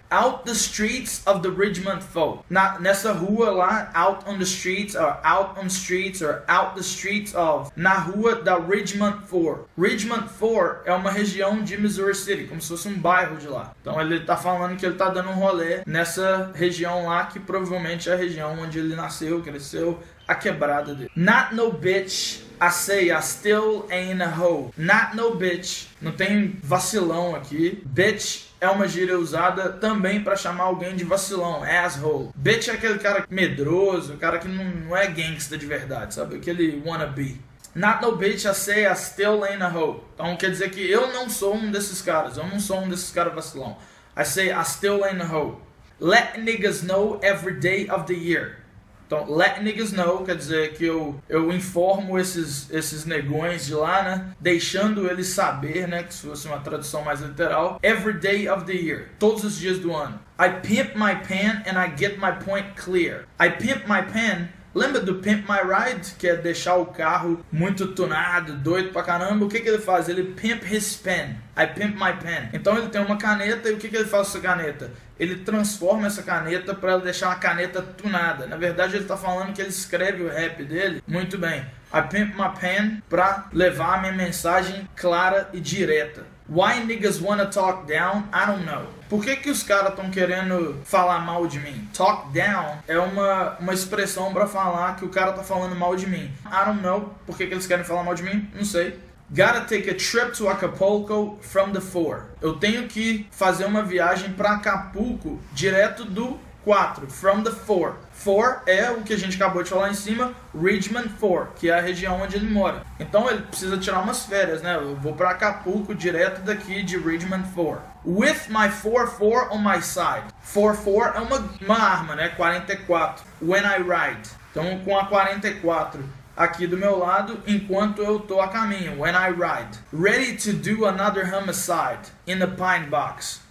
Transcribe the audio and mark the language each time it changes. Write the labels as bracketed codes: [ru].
[en] Out the streets of the Ridgemont Foe. [pt] Nessa rua lá, [en] out on the streets, or out on streets, or out the streets of... [pt] Na rua da Ridgemont Foe. Ridgemont Foe é uma região de Missouri City, como se fosse bairro de lá. Então ele tá falando que ele tá dando rolê nessa região lá, que provavelmente é a região onde ele nasceu, cresceu, a quebrada dele. [en] Not no bitch, I say I still ain't a hoe. Not no bitch. [pt] Não tem vacilão aqui. Bitch é uma gíria usada também pra chamar alguém de vacilão, asshole. Bitch é aquele cara medroso, cara que não é gangsta de verdade, sabe? Aquele wannabe. [en] Not no bitch, I say I still ain't a hoe. [pt] Então quer dizer que eu não sou um desses caras. Eu não sou um desses caras vacilão. [en] I say I still ain't a hoe. Let niggas know every day of the year. [pt] Então, [en] let niggas know, [pt] quer dizer que eu informo esses negões de lá, né? Deixando eles saber, né? Que se fosse uma tradução mais literal. [en] Every day of the year. [pt] Todos os dias do ano. [en] I pimp my pen and I get my point clear. I pimp my pen. [pt] Lembra do [en] pimp my ride? [pt] Que é deixar o carro muito tunado, doido pra caramba. O que que ele faz? Ele [en] pimp his pen. I pimp my pen. [pt] Então ele tem uma caneta e o que que ele faz com essa caneta? Ele transforma essa caneta pra ela deixar uma caneta tunada. Na verdade ele tá falando que ele escreve o rap dele muito bem. [en] I pimp my pen [pt] pra levar a minha mensagem clara e direta. [en] Why niggas wanna talk down? I don't know. [pt] Por que que os caras estão querendo falar mal de mim? Talk down é uma expressão pra falar que o cara tá falando mal de mim. [en] I don't know. [pt] Por que que eles querem falar mal de mim? Não sei. [en] Gotta take a trip to Acapulco from the 4. [pt] Eu tenho que fazer uma viagem pra Acapulco direto do 4. [en] From the 4. [pt] 4 é o que a gente acabou de falar em cima, Ridgemont Foe, que é a região onde ele mora. Então ele precisa tirar umas férias, né? Eu vou pra Acapulco direto daqui de Ridgemont Foe. [en] With my 44 on my side. [pt] 44 é uma arma, né? [en] 44. When I ride. [pt] Então com a 44 aqui do meu lado, enquanto eu tô a caminho. [en] When I ride. Ready to do another homicide in the pine box.